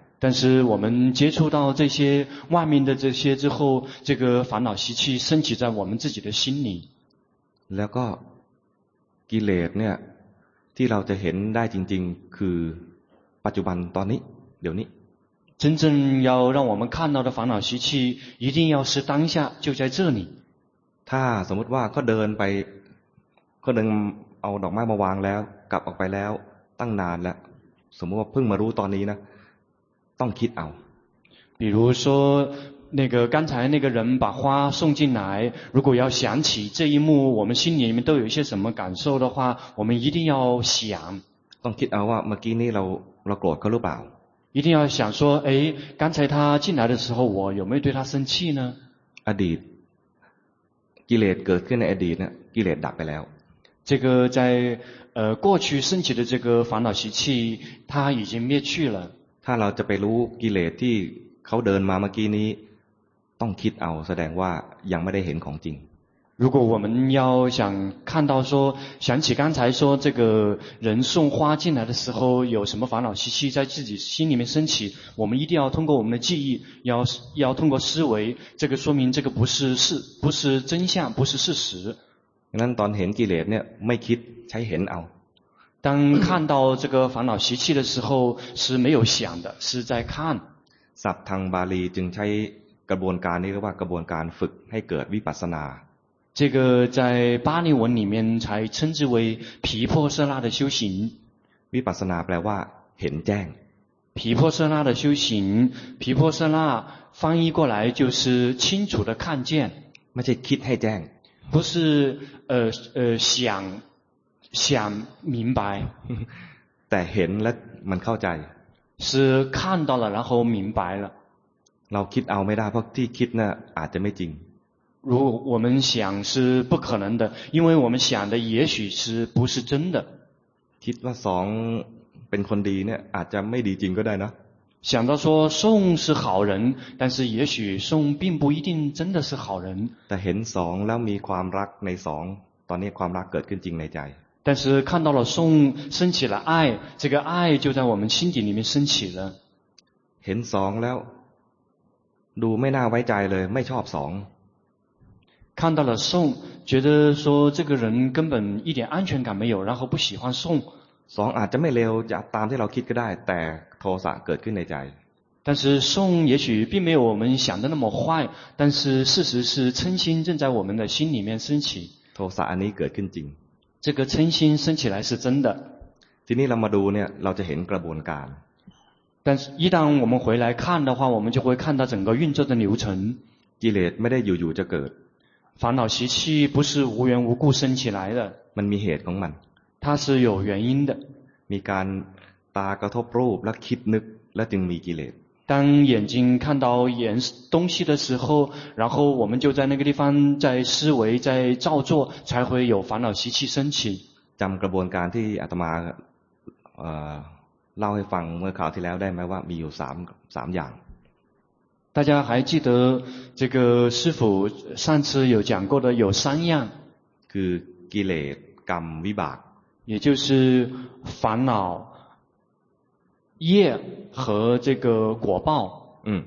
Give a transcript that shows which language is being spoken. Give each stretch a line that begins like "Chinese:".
Chinese: 但是我们接触到这些外面的这些之后这个烦恼习气升起在我们自己的心里
Thai: แล้วก็กิเลสเนี่ยที่เราจะเห็นได้จริงๆคือปัจจุบันตอนนี้เดี๋ยวนี้
Chinese: 真正要让我们看到的烦恼习气一定要是当下就在这里
Thai: ถ้าสมมติว่าเขาเดินไปเขาเดินเอาดอกไม้มาวางแล้วกลับออกไปแล้วตั้งนานแล้วสมมติว่าเพิ่งมารู้ตอนนี้นะต้องคิดเอา
Chinese: 比如说那个刚才那个人把花送进来如果要想起这一幕我们心里面都有一些什么感受的话我们一定要想
Thai: ต้องคิดเอาว่าเมื่อกี้นี้เราโกรธเขาหรือเปล่า
Chinese: 一定要想说哎刚才他进来的时候我有没有对他生气呢
Thai: อดีตกิเลสเกิดขึ้นในอดีตนะกิเลสดับไปแล้ว
Chinese: 这个在过去升起的这个烦恼习气它已经灭去了
Thai: ถ้าเราจะไปรู้กิเลสที่เขาเดินมาเมื่อกี้นี้ต้องคิดเอาแสดงว่ายังไม่ได้เห็นของจริง
Chinese: 如果我们要想看到说想起刚才说这个人送花进来的时候有什么烦恼习气在自己心里面升起我们一定要通过我们的记忆要通过思维这个说明这个不是真相不是事实
Thai: นั้นตอนเห็นกิเลสเนี่ยไม่คิดใช้เห็นเอา
Chinese: 当看到这个烦恼习气的时候是没有想的是在看
Thai: ศัพท์ทางบาลีจึงใช้กระบวนการนี้เรียกว่ากระบวนการฝึกให้เกิดวิปัสสนา
Chinese: 这个在巴利文里面才称之为毗婆舍那的修行
Thai: วิปัสสนาแปลว่าเห็นแจ้ง
Chinese: 毗婆舍那的修行毗婆舍那翻译过来就是清楚的看见
Thai: ไม่ใช่คิดให้แจ้ง
Chinese: 不是想明白
Thai: แต่เห็นแล้วมันเข้าใจ
Chinese: 是看到了然后明白了
Thai: เราคิดเอาไม่ได้เพราะที่คิดน่ะอาจจะไม่จริง
Chinese: 如果我们想是不可能的因为我们想的也许是不是真的
Thai: คิดว่าสองเป็นคนดีเนี่ยอาจจะไม่ดีจริงก็ได้นะ
Chinese: 想到说宋是好人但是也许宋并不一定真的是好人
Thai: แต่เห็นสองแล้วมีความรักในสองตอนนี้ความรักเกิดขึ้นจริงในใจ
Chinese: 但是看到了宋升起了爱这个爱就在我们心底里面升起了
Thai: เห็นสองแล้วดูไม่น่าไว้ใจเลยไม่ชอบสอง
Chinese: 看到了送觉得说这个人根本一点安全感没有然后不喜欢送
Thai: สองอาจจะไม่เร็วจะตามที่เราคิดก็ได้แต่โทสะเกิดขึ้นในใจ
Chinese: 但是送也许并没有我们想的那么坏但是事实是嗔心正在我们的心里面升起
Thai: โทสะอันนี้เกิดขึ้นจริง
Chinese: 这个嗔心升起来是真的
Thai: ทีนี้เรามาดูเนี่ยเราจะเห็นกระบวนการ
Chinese: 但是一旦我们回来看的话我们就会看到整个运作的流程
Thai: กิเลสไม่ได้อยู่ๆจะเกิด
Chinese: 烦恼习气不是无缘无故升起来的
Thai: มันมีเหตุของมัน
Chinese: 它是有原因的
Thai: มีการตากระทบรูปและคิดนึกและจึงมีกิเลส
Chinese: 当眼睛看到眼东西的时候然后我们就在那个地方在思维在造作才会有烦恼习气升起
Thai: จำกระบวนการที่อาตมาเล่าให้ฟังเมื่อคราวที่แล้วได้ไหมว่ามีอยู่สามอย่าง
Chinese: 大家还记得这个师父上次有讲过的有三样
Thai: คือกิเลสกรรมวิบาก
Chinese: 也就是烦恼业和这个果报